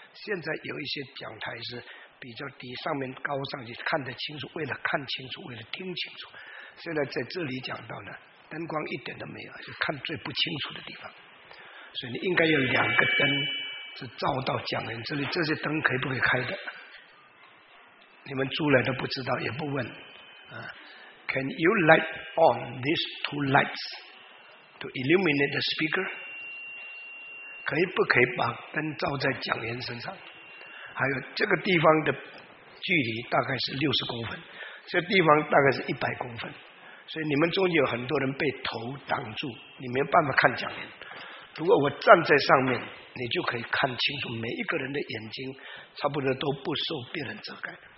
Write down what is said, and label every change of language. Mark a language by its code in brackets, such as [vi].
[zh] 现在有一些讲台是比较低，上面高上去看得清楚，为了看清楚，为了听清楚。现在在这里讲到呢，灯光一点都没有，就看最不清楚的地方。所以你应该有两个灯是照到讲人这里，这些灯可以不可以开的？你们租来都不知道，也不问啊。 [en] Can you light on these two lights to illuminate the speaker? [zh] 可以不可以把灯照在讲员身上？还有这个地方的距离大概是60公分，这个地方大概是100公分，所以你们中间有很多人被头挡住，你没有办法看讲员。如果我站在上面，你就可以看清楚每一个人的眼睛，差不多都不受别人遮盖。